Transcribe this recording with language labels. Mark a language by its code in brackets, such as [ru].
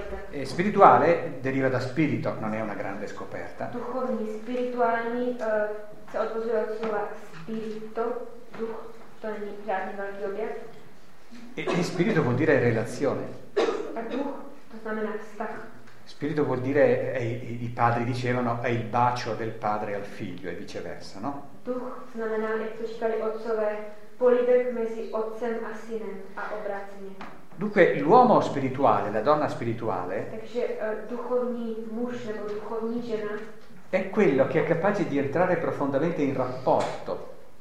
[it] E spirituale deriva da spirito, non è una grande scoperta. [cs] Duchovní, spirituální, se odvozuje od slova spirito, duch, to není žádný velký objev. [it] E spirito vuol dire relazione. [cs] A duch, to znamená vztah. [it] Spirito vuol dire, i padri dicevano, è il bacio del padre al figlio e viceversa, no? [cs] Duch znamená, jak to říkali otcové, polibek mezi otcem a synem a obráceně. [it] Dunque l'uomo spirituale, la donna spirituale, [cs] takže, duchovní muž, nebo duchovní žena, [it] è quello che è capace di entrare profondamente in rapporto.